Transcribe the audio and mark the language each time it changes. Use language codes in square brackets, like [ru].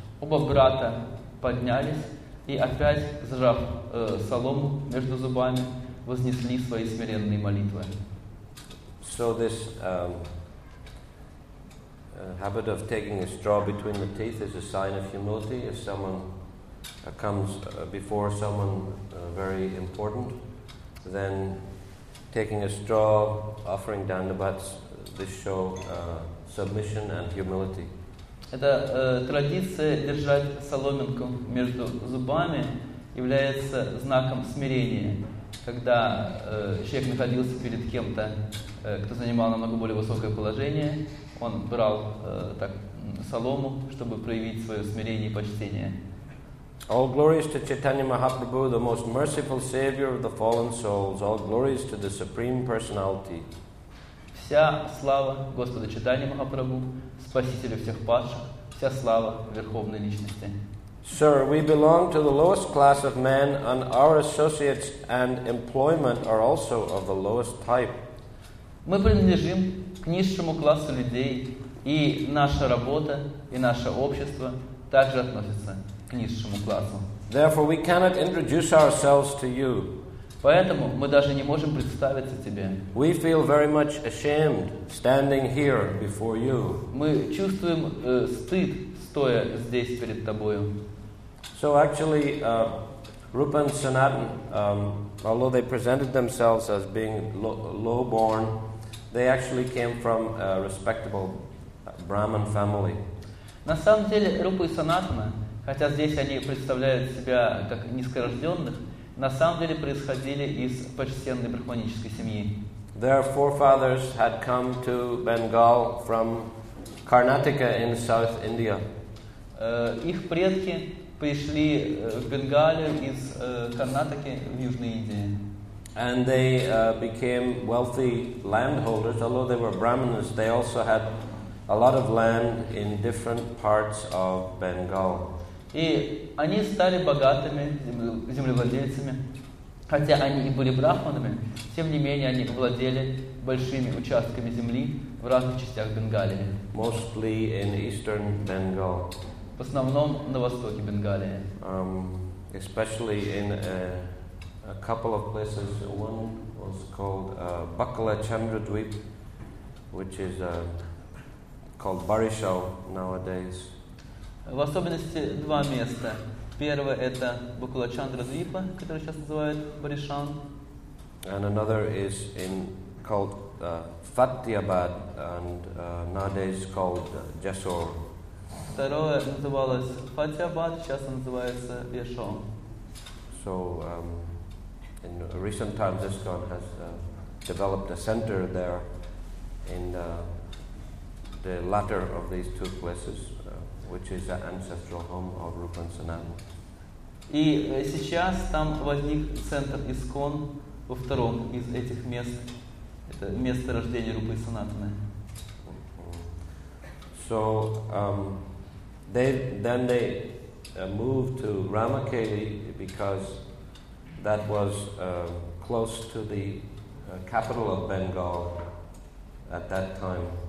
[ru] Оба брата поднялись и опять, зажав солому между зубами, вознесли свои смиренные молитвы. [en] So this habit of taking a straw between the teeth is a sign of humility. If someone comes before someone very important, then taking a straw, offering dandabats, this show submission and humility. [ru] Эта традиция держать соломинку между зубами является знаком смирения, когда человек находился перед кем-то, кто занимал намного более высокое положение. Он брал так солому, чтобы проявить свое смирение и почтение. [en] All glories to Chaitanya Mahaprabhu, the most merciful savior of the fallen souls. All glories to the supreme personality. [ru] Вся слава Господу Чайтанья Махапрабху, спасителю всех падших. Вся слава верховной личности. [en] Sir, we belong to the lowest class of men, and our associates and employment are also of the lowest type. [ru] Мы принадлежим к низшему классу людей, и наша работа и наше общество также относятся к низшему классу. [en] Therefore, we cannot introduce ourselves to you. [ru] Поэтому мы даже не можем представиться тебе. [en] We feel very much ashamed standing here before you. [ru] Мы чувствуем стыд, стоя здесь перед тобою. [en] So actually, Rupa and Sanatan, although they presented themselves as being low-born, they actually came from a respectable Brahmin family. [ru] На самом деле, Рупа и Санатана, хотя здесь они представляют себя как низкорожденных, на самом деле происходили из почтенной брахманической семьи. [en] Their forefathers had come to Bengal from Karnataka in South India. [ru] Их предки пришли в Бенгалию из Карнатаки в Южной Индии. [en] And they became wealthy landholders, although they were Brahmins, they also had a lot of land in different parts of Bengal. [ru] И они стали богатыми землевладельцами. Хотя они и были брахманами, тем не менее они владели большими участками земли в разных частях Бенгалии. [en] Mostly in eastern Bengal. [ru] В основном на востоке Бенгалии. [en] Especially in a couple of places. One was called Bakala Chandradweep, which is called Barishal nowadays. [ru] В особенности два места. Первое – это Бакула Чандрадвипа, который сейчас называют Баришан. [en] And another is in, called Fatiabad, and nowadays called Jessore. [ru] Второе называлось Фатиабад, сейчас он называется Яшо. [en] So, in recent times, ISKCON has developed a center there in the latter of these two places, which is the ancestral home of Rupa and Sanatana. [ru] И сейчас там возник центр ISKCON во втором из этих мест. Это место рождения Рупы и Санатаны. [en] So, They moved to Ramakeli because that was close to the capital of Bengal at that time.